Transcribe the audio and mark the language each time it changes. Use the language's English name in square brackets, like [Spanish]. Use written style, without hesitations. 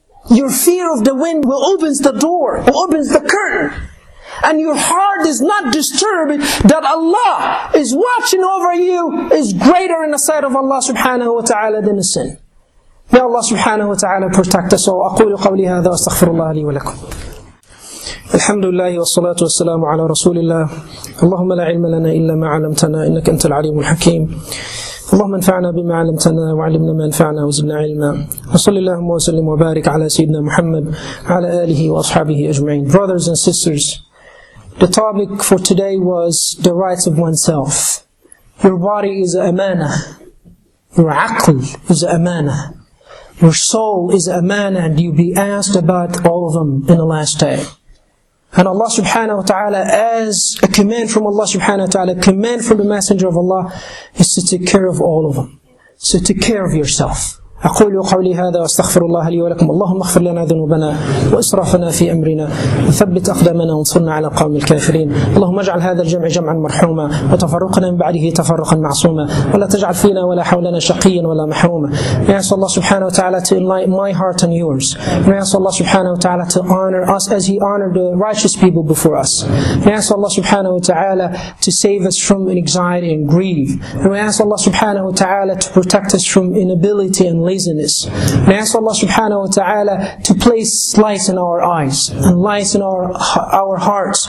[English] Your fear of the wind will opens the door, will opens the curtain. And your heart is not disturbed that Allah is watching over you, is greater in the sight of Allah subhanahu wa ta'ala than the sin. May Allah subhanahu wa ta'ala protect us. [Arabic] وَأَقُولُ قَوْلِي هَذَا وَأَسْتَغْفِرُ اللَّهَ لِي وَلَكُمْ الحمد لله والصلاة والسلام على رسول الله اللهم لا علم لنا إلا ما علمتنا إنك أنت العليم الحكيم اللهم انفعنا بما علمتنا وعلمنا ما انفعنا وزدنا علما وصل اللهم وسلم وبارك على سيدنا محمد على آله وأصحابه أجمعين. [English] Brothers and sisters, the topic for today was the rights of oneself. Your body is amana. Your aql is amana. Your soul is amana, and you'll be asked about all of them in the last day. And Allah subhanahu wa ta'ala, as a command from Allah subhanahu wa ta'ala, a command from the Messenger of Allah, is to take care of all of them. So take care of yourself. [Arabic] أقول قولي هذا واستغفر الله لي ولكم اللهم اغفر لنا ذنوبنا وإسرافنا في أمرنا وثبت أقدامنا وانصرنا على القوم الكافرين اللهم اجعل هذا الجمع جمعا مرحوما وتفرقنا من بعده تفرقا معصوما ولا تجعل فينا ولا حولنا شقيا ولا محروما [English] I ask Allah subhanahu wa ta'ala to enlighten my heart and yours. I ask Allah subhanahu wa ta'ala to honor us as he honored the righteous people before us. I ask Allah subhanahu wa ta'ala to save us from anxiety and grief. I ask Allah subhanahu wa ta'ala to protect us from inability and laziness. And I ask Allah subhanahu wa ta'ala to place light in our eyes and light in our hearts.